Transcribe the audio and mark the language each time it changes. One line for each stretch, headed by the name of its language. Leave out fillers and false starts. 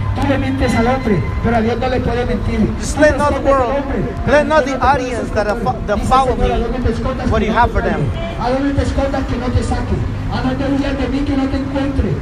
Spanish: Tú le mientes al hombre, pero a Dios no le puede mentir.
English: Just let not the world,
Spanish: hombre,
English: let not the audience that that follow me, what do you have for them?
Spanish: A donde te escondas que no te saque. A donde huyas de mí que no te encuentre.